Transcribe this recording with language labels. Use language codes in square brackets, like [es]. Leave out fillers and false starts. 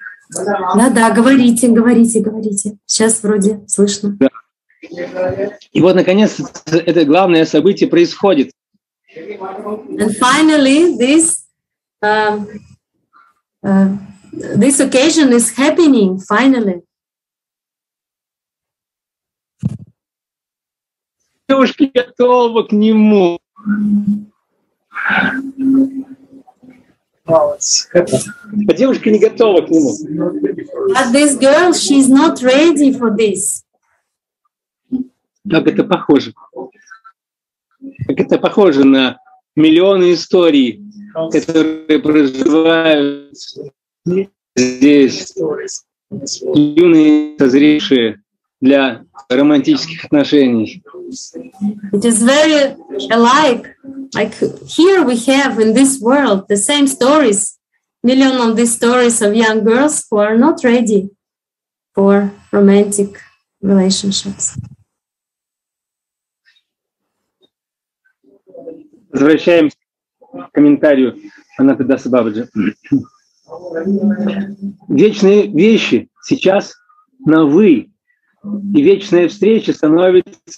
[ru] Да-да, говорите, говорите, говорите. Сейчас вроде слышно. Да. И вот, наконец, это главное событие происходит. [en] And finally, this, this occasion is happening, finally. [ru] Ты уж готова к нему. А девушка не готова к нему. [en] But this girl, she's not ready for this. [ru] Как это похоже? Как это похоже на миллионы историй, которые проживают здесь юные созревшие для романтических отношений. [en] It is very alike. Like here we have in this world the same stories, million of these stories of young girls who are not ready for romantic relationships. [ru] Возвращаемся к комментарию Анатадаса Бабаджи. Вечные вещи сейчас на «вы», и вечная встреча становится...